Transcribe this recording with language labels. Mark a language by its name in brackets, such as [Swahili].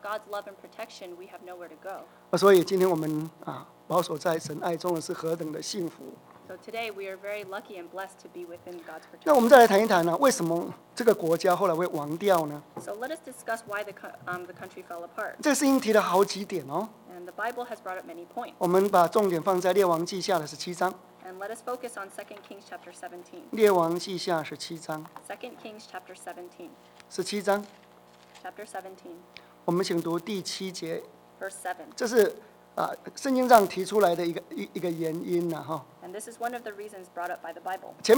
[English] God's love and protection, we have nowhere to go. [Chinese] 所以今天我们啊，保守在神爱中的是何等的幸福。So [English] today we are very lucky and blessed to be within God's protection. [Chinese] 那我们再来谈一谈呢、啊，为什么这个国家后来会亡掉呢？So [English] let us discuss why the country fell apart. [Chinese] 这个事情提了好几点哦。 [English] And the Bible has brought up many points. [Chinese] 我们把重点放在《列王记下》的17章。And [English] let us focus on 2 Kings chapter 17. [Chinese] 列王记下17章。 [English] 2 Kings chapter 17. [Chinese] 17章。 [English] Chapter 17. [Chinese] 我们请读第七节。 [English] Verse 7. [Chinese] 这是圣经上提出来的一个原因呢，哈。And [English] this is one of the reasons brought up by the Bible.